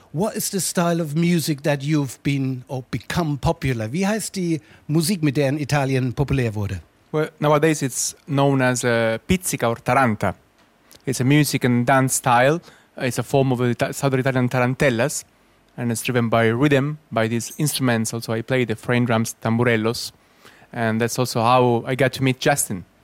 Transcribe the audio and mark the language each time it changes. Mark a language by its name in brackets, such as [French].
[English] What is the style of music that you've been or become popular? [German] Wie heißt die Musik, mit der in Italien populär wurde? [English] Well, nowadays it's known as pizzica or taranta. It's a music and dance style. It's a form of Southern Italian tarantellas, and it's driven by rhythm, by these instruments. Also, I play the frame drums, tamburellos, and that's also how I got to meet Justin.